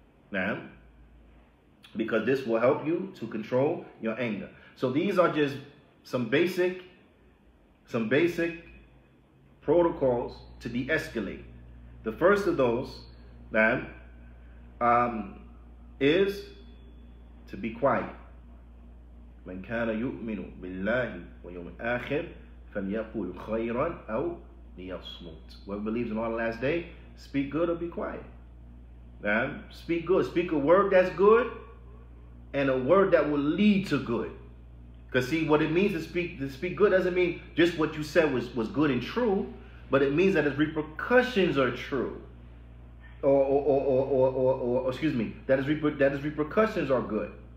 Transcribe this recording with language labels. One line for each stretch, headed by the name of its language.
English: Now, because this will help you to control your anger. So these are just some basic protocols to de-escalate. The first of those, man, is to be quiet.
Arabic: من كان يؤمن بالله ويوم الآخر فليقول خيرا أو ليصمت.
English: Whoever believes in Allah last day, speak good or be quiet. Man, speak good. Speak a word that's good and a word that will lead to good. Because see, what it means to speak good doesn't mean just what you said was good and true. But it means that his repercussions are true, that his repercussions are good.